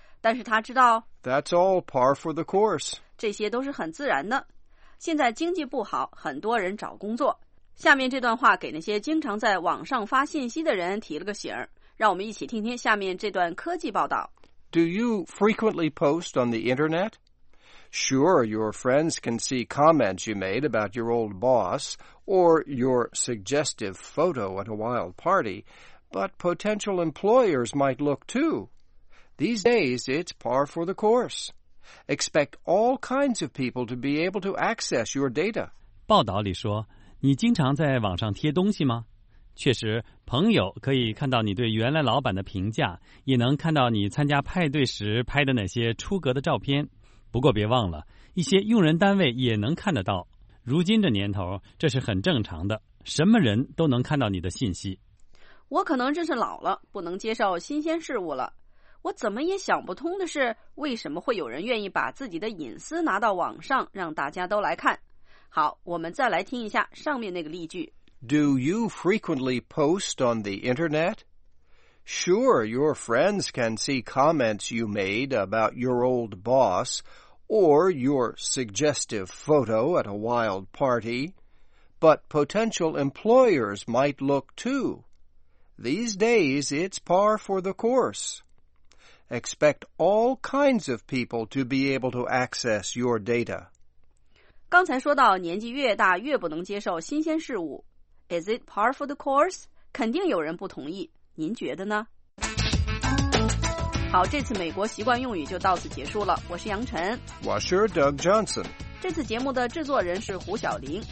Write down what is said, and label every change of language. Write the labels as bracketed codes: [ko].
[zh] 但是他知道 [en] That's all par for the course. [zh] 这些都是很自然的。现在经济不好，很多人找工作。下面这段话给那些经常在网上发信息的人提了个醒，让我们一起听听下面这段科技报道。 [en] Do you frequently post on the internet? Sure, your friends can see comments you made about your old boss or your suggestive photo at a wild party, but potential employers might look too. These days, it's par for the course. Expect all kinds of people to be able to access your data. [zh] 报道里说，你经常在网上贴东西吗？确实，朋友可以看到你对原来老板的评价，也能看到你参加派对时拍的那些出格的照片。不过别忘了，一些用人单位也能看得到。如今这年头，这是很正常的，什么人都能看到你的信息。我可能真是老了，不能接受新鲜事物了。我怎么也想不通的是，为什么会有人愿意把自己的隐私拿到网上，让大家都来看。好，我们再来听一下上面那个例句。 [en] Do you frequently post on the internet? Sure, your friends can see comments you made about your old boss or your suggestive photo at a wild party, but potential employers might look too. These days, it's par for the course. Expect all kinds of people to be able to access your data. [zh] 刚才说到年纪越大越不能接受新鲜事物。 [en] Is it par for the course? [zh] 肯定有人不同意。您觉得呢？好，这次美国习惯用语就到此结束了。我是杨晨。 [en] Washer Doug Johnson。 [zh] 这次节目的制作人是胡晓玲。